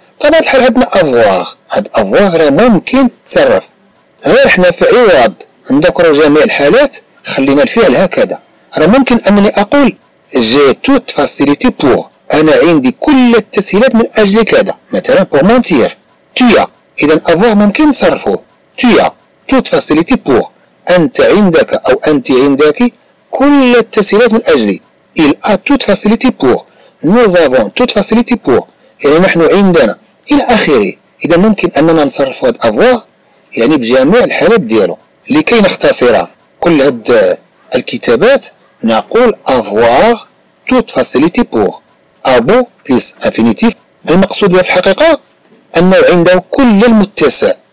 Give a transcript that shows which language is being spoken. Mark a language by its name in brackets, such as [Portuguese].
[Arabic] طبعا الحال عندنا avoir هاد avoir راه ممكن تصرف غير حنا في عوض نذكروا جميع الحالات خلينا الفعل هكذا راه ممكن أنني أقول [French] j'ai toute facilité pour [Arabic] أنا عندي كل التسهيلات من أجلي كذا مثلا [French] pour mentir tu as. [Arabic] إذا avoir ممكن تصرفه [French] tu as toute facilité pour [Arabic] أنت عندك أو أنت عندك كل التسهيلات من أجلي. [French] Il a toute facilité pour. Nous avons toute facilité pour. [Arabic] يعني نحن عندنا إلى آخره. إذا ممكن أننا نصرف هذا avoir يعني بجميع الحالات ديالو. لكي نختصر كل هاد الكتابات نقول [French] avoir toute facilité pour. Abo plus infinitif. [Arabic] المقصود به في الحقيقة أنه عنده كل المتسع.